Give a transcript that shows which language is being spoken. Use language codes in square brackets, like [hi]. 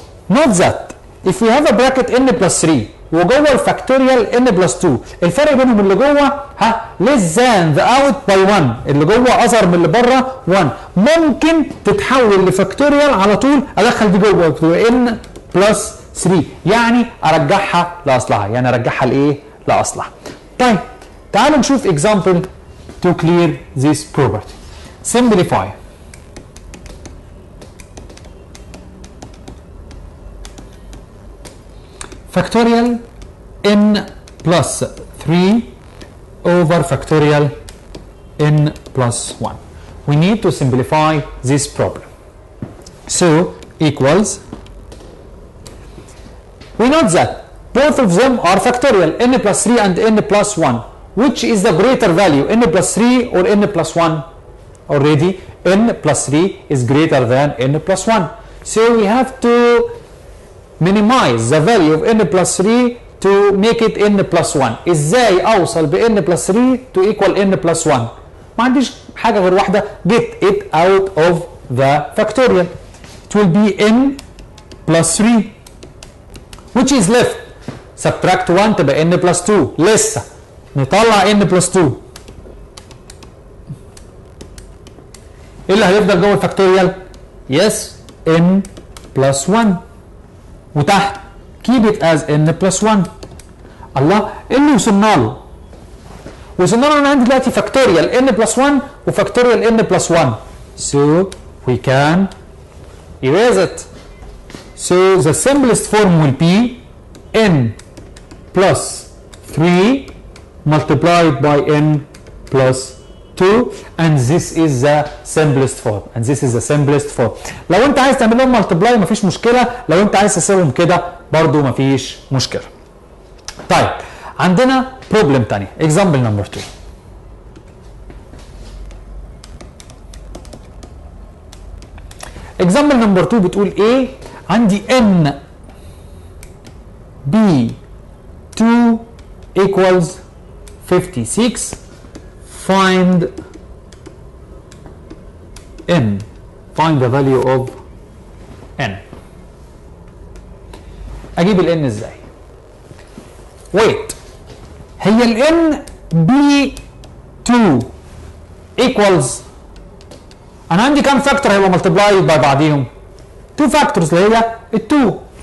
[en] Not that if we have a bracket n plus 3 [ar] وجوه الفاكتوريال n plus 2, الفرق بينهم اللي جوه [en] less than the out by 1, [ar] اللي جوه اصغر من اللي بره 1, ممكن تتحول لفاكتوريال على طول, ادخل دي جوه n plus 3, يعني ارجعها لاصلها, يعني ارجعها لايه؟ لاصلها. طيب تعالوا نشوف [en] example to clear this property. Simplify. Factorial n plus 3 over factorial n plus 1. We need to simplify this problem. So equals, we know that both of them are factorial, n plus 3 and n plus 1. Which is the greater value, n plus 3 or n plus 1? Already n plus 3 is greater than n plus 1. So we have to minimize the value of n plus 3 to make it n plus 1. [ar] ازاي اوصل ب [en] n plus 3 to equal n plus 1؟ [ar] ما عنديش حاجة غير واحدة, [en] get it out of the factorial. It will be n plus 3. Which is left? Subtract 1 [ar] تبقى [en] n plus 2. [ar] لسه نطلع [en] n plus 2. [ar] اللي هيفضل جوه الفاكتوريال؟ [en] Yes, n plus 1. [ar] وتحت [en] keep it as n plus 1. [ar] الله, اللي وصلنا له, وصلنا له انا عندي دلوقتي فاكتوريال n plus 1 وفاكتوريال n plus 1. [en] So we can erase it. So the simplest form will be n plus 3 multiplied by n plus 2, and this is the simplest form. And this is the simplest form. [ar] لو انت عايز تعمل لهم multiply مفيش مشكلة, لو انت عايز تسيبهم كده برضو مفيش مشكلة. طيب عندنا [en] problem [ar] تاني, [en] example number 2. example number 2 [ar] بتقول ايه؟ عندي [en] n b 2 equals 56, find n, find the value of n. [ar] اجيب ال n ازاي؟ wait, هي ال n b 2 equals, انا عندي كام فاكتور هيبقى [en] multiply by [ar] بعضيهم؟ 2 فاكتورز اللي هي ال 2.